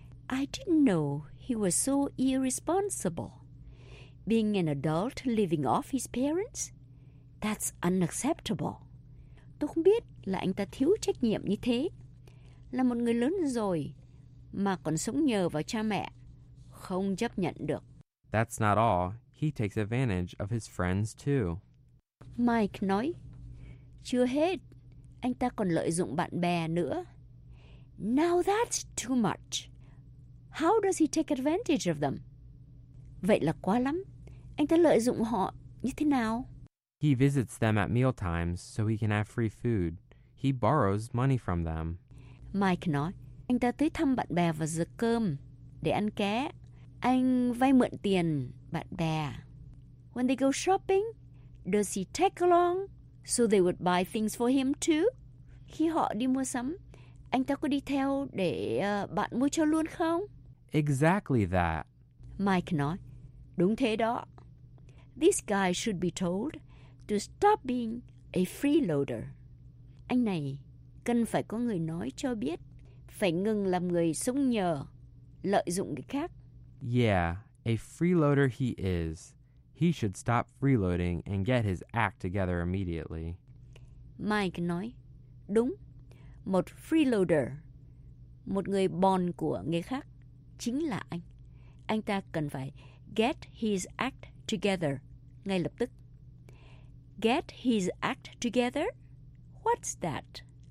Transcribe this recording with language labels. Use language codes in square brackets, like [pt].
[en] I didn't know he was so irresponsible. Being an adult living off his parents? That's unacceptable. [vi] Tôi không biết là anh ta thiếu trách nhiệm như thế. Là một người lớn rồi mà còn sống nhờ vào cha mẹ. Không chấp nhận được. [en] That's not all. He takes advantage of his friends too. [vi] Mike nói, chưa hết, anh ta còn lợi dụng bạn bè nữa. [en] Now that's too much. How does he take advantage of them? [vi] Vậy là quá lắm. Anh ta lợi dụng họ như thế nào? [en] He visits them at mealtimes so he can have free food. He borrows money from them. [vi] Mike nói, anh ta tới thăm bạn bè vào giờ cơm để ăn ké. Anh vay mượn tiền bạn bè. [en] When they go shopping, does he take along so they would buy things for him too? [vi] Khi họ đi mua sắm, anh ta có đi theo để bạn mua cho luôn không? [en] Exactly that. [vi] Mike nói, đúng thế đó. [en] This guy should be told to stop being a freeloader. [vi] Anh này cần phải có người nói cho biết, phải ngừng làm người sống nhờ, lợi dụng người khác. [en] Yeah, a freeloader he is. He should stop freeloading and get his act together immediately. [vi] Mike nói, đúng, một freeloader, một người bòn của người khác, chính là anh. Anh ta cần phải [en] get his act together [vi] ngay lập tức. [en] Get his act together? What's that?